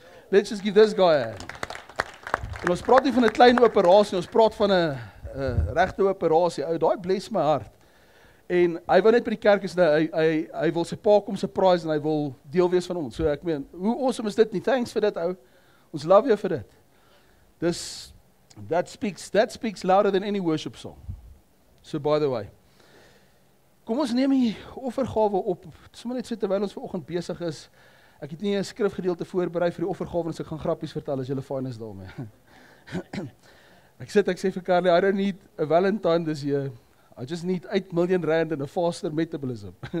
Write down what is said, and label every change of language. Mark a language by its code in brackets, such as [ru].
[en] Let's just give this guy a hand. [af] En ons praat nie van 'n klein operasie, ons praat van 'n regte operasie. Ou, daai bless my hart. En hy wil net by die kerk is, hy wil sy pa kom surprise en hy wil deel wees van ons. So ek meen, hoe awesome is dit nie? Thanks vir dit, ou. Ons love jou vir dit. [en] Dis, that speaks louder than any worship song. So by the way, [af] kom ons neem die offergawe op, sommer net so terwyl ons vanoggend besig is. Ek het nie 'n skrifgedeelte voorberei vir die offergawe, ons ek gaan grappies vertel as julle fyn is daarmee. Ek sê vir Carly, [en] I don't need a Valentine this year. I just need 8 million rand and a faster metabolism.